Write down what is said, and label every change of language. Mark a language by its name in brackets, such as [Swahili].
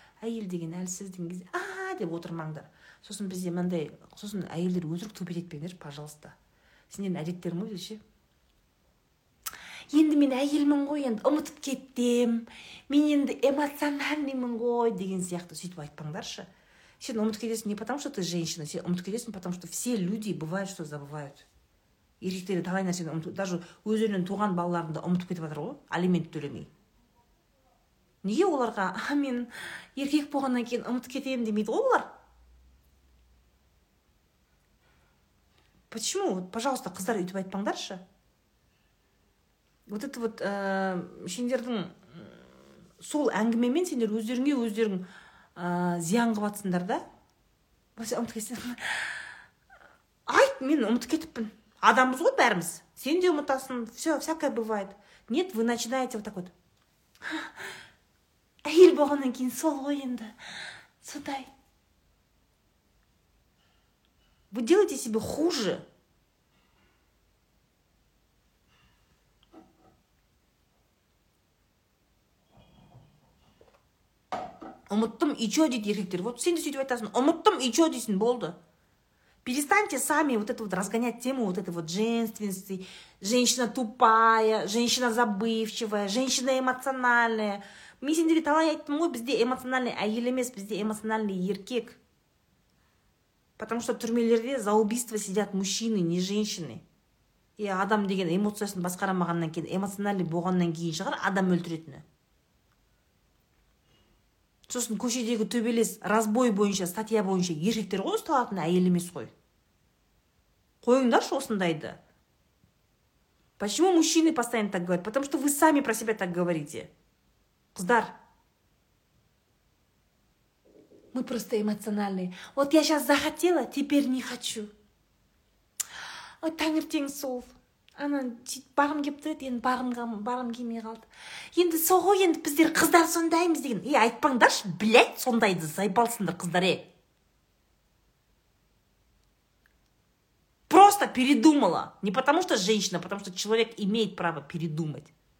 [Kazakh] Әйел деген әлсіз деген кезде, деп отырмаңдар. Сосын бізде мындай, сосын әйелдер өзірік төбелетпеңдер, пожалуйста. Сенден әдеттерің ғой деші. Енді мен әйелмін ғой, енді ұмытып кеттім. Мен енді эмоциональныймын ғой деген сияқты сөйтіп айтпаңдаршы. Сен ұмытып кетесің [Russian] не потому, что ты женщина, [Kazakh] сен ұмытып кетесің [Russian] потому, что все люди бывают, что забывают. [Kazakh] Еркектері талай нәрсені ұмытып, даже өздерінің туған балаларында ұмытып кетіп жатыр ғой, алимент төлемей. Неге оларға, мен еркек болғаннан кейін ұмытып кетемін демейді ғой олар? [Russian] Почему? [Kazakh] Пожалуйста, қыздар үйтіп айтпаңдаршы. Вот это вот, сендердің сол әңгімемен сендер өздеріңе өздерің зиян қылып атсыңдар да. Осы ұмытып кетесің. Айт, мен ұмытып кетіппін. Адамбыз ғой бәріміз. Сен де ұмытасың, [Russian] все, всякое бывает. Нет, вы начинаете вот так вот. [Kazakh] Әйел болғаннан кейін сол ғой енді. Сондай. [Russian] Вы делаете себе хуже. [Kazakh] Ұмыттым, [Russian] и че [Kazakh] дейді еркектер. Вот сен де сөйтіп айтасың, ұмыттым, [Russian] и че [Kazakh] дейсің, болды. [Russian] Перестаньте сами вот это вот разгонять тему вот этой вот женственности. Женщина тупая, женщина забывчивая, женщина эмоциональная. [Kazakh] Мен сендерге талай айттым ғой, бізде эмоциональный әйел емес, бізде эмоциональный еркек. [Russian] Потому что [Kazakh] түрмелерде [Russian] за убийство сидят мужчины, не женщины. [Kazakh] И адам деген эмоциясын басқарамағаннан кейін, эмоциональный болғаннан кейін шығар адам өлтіретіні. Сосын көшедегі төбелес разбой бойынша, статья бойынша еркектер ғой ұсталатын, әйел емес қой. Қойыңдаршы осындайды. [Russian] Почему мужчины постоянно так говорят? Потому что вы сами про себя так говорите. [Kazakh] Қыздар. [Russian] Мы просто эмоциональные. Вот я сейчас захотела, теперь не хочу. [Kazakh] Ой, таңертең сол. Анан барым кеп тұрады, енді барым келмей қалды. Енді сол ғой, енді біздер қыздар сондаймыз деген. Е, айтпаңдаршы, блядь, сондайды, зайбалсыңдар қыздар, е. [Russian] Просто передумала. Не потому, что женщина, потому, что человек имеет право передумать.